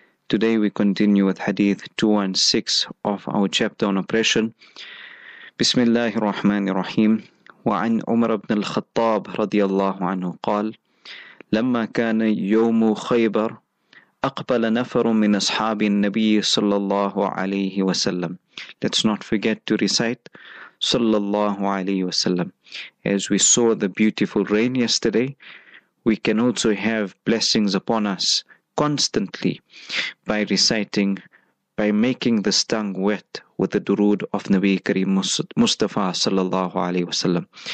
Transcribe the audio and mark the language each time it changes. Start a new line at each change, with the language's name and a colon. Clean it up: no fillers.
English: Today we continue with hadith 216 of our chapter on oppression.
Arabic: Bismillah ar-Rahman ar-Rahim. وعن عمر بن الخطاب رضي الله عنه قال لما كان يوم خيبر أقبل نفر من أصحاب النبي صلى الله عليه وسلم.
English: Let's not forget to recite
Arabic: صلى الله عليه وسلم.
English: As we saw the beautiful rain yesterday, we can also have blessings upon us constantly by reciting, by making this tongue wet with the durood of Nabi Kareem Mustafa sallallahu alayhi wasallam.